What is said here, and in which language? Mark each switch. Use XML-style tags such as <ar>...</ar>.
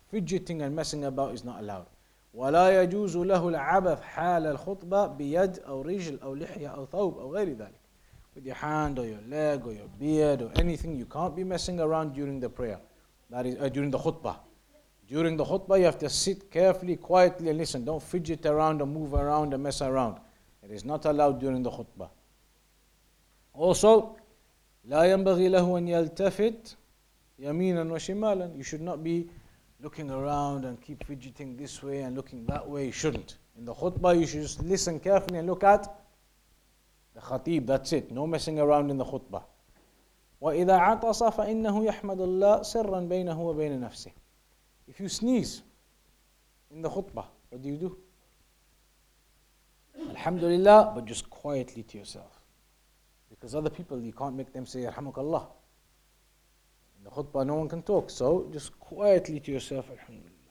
<en>Fidgeting and messing about is not allowed.</en> <ar>وَلَا يَجُوزُ لَهُ الْعَبَثْ حَالَ الْخُطْبَةِ بِيَدْ أَوْ رِجْلْ أَوْ لِحْيَةْ أَوْ ثَوْبْ أَوْ غَيْرِ ذَلِكَ.</ar> <en>With your hand or your leg or your beard or anything, you can't be messing around during the prayer. During the khutbah. During the khutbah, you have to sit carefully, quietly and listen. Don't fidget around or move around or mess around. It is not allowed during the khutbah.</en> <ar>Also, لا ينبغي له أن يلتفت يمينا وشمالا.</ar> <en>You should not be looking around and keep fidgeting this way and looking that way. You shouldn't. In the khutbah, you should just listen carefully and look at the khatib. That's it. No messing around in the khutbah.</en> <ar>وإذا عطس فإنه يحمد الله سرا بينه وبين نفسه.</ar> <en>If you sneeze in the khutbah, what do you do? Alhamdulillah, but just quietly to yourself. Because other people, you can't make them say, Alhamdulillah. In the khutbah, no one can talk. So just quietly to yourself, Alhamdulillah.</en>